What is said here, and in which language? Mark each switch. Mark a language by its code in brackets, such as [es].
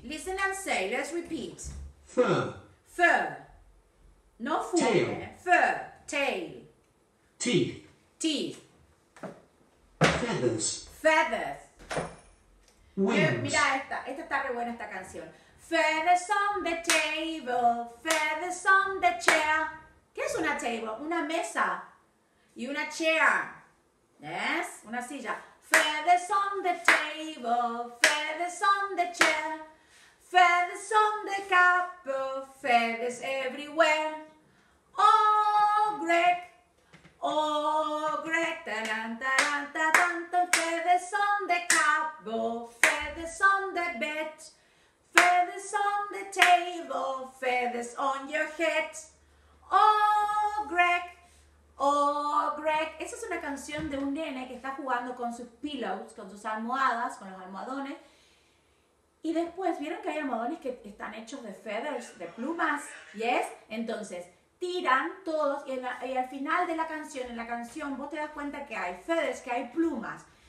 [en] Listen and say, let's repeat. Fur. Fur. No fur. Tail. Fur. Tail. Teeth. Teeth. Feathers. Feathers. Wings. [es] Mira esta, esta está re buena esta canción. [en] Feathers on the table, feathers on the chair. [es] ¿Qué es una table? Una mesa. Y una chair. [en] ¿Yes? [es] Una silla. [en] Feathers on the table, feathers on the chair. Feathers on the cup, feathers everywhere. Oh, Greg. Oh, Greg. Taran, taran, taran, taran. Feathers on the cup, feathers on the bed, feathers on the table, feathers on your head. Oh, Greg, oh, Greg. [es] Esa es una canción de un nene que está jugando con sus [en] pillows, [es] con sus almohadas, con los almohadones. Y después, ¿vieron que hay almohadones que están hechos de [en] feathers, [es] de plumas? [en] ¿Yes? [es] Entonces, tiran todos y al final de la canción, vos te das cuenta que hay [en] feathers, [es] que hay plumas.